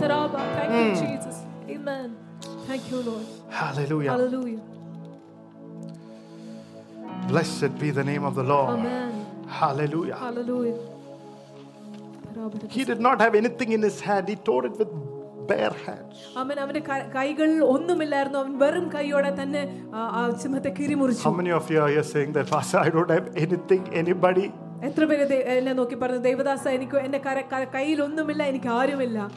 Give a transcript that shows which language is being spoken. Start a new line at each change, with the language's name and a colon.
English: Thank you, Jesus. Amen. Thank you, lord. Hallelujah. Hallelujah. Blessed be the name of the Lord. Amen. Hallelujah. Hallelujah. He did not have anything in his hand. He tore it with bare hands.
Malayalam: Amen. അവന്റെ കൈകളിൽ ഒന്നുമില്ലായിരുന്നു. അവൻ വെറും കൈയോടെ തന്നെ ആ സിംഹത്തെ കീറിമുറിച്ചു.
English: How many of you are saying that, Pastor, I don't have anything, anybody?
Malayalam: എത്ര പേര് എന്നെ നോക്കി പറഞ്ഞു ദൈവദാസ എനിക്ക് എന്റെ കയ്യിൽ ഒന്നുമില്ല എനിക്ക് ആരുമില്ല.